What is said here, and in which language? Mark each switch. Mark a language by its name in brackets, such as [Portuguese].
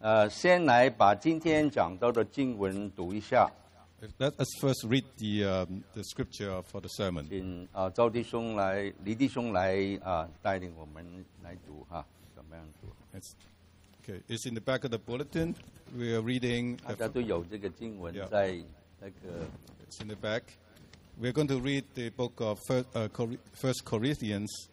[Chinese] 先来把今天讲到的经文读一下。 [English] Let's first read the scripture for the sermon。 [Chinese] 请赵弟兄来，李弟兄来带领我们来读哈，怎么样读 [English] ？Okay, it's in the back of the bulletin. We are reading. [Chinese] 大家都有这个经文在那个。 [English] It's in the back. We're going to read the book of First Corinthians.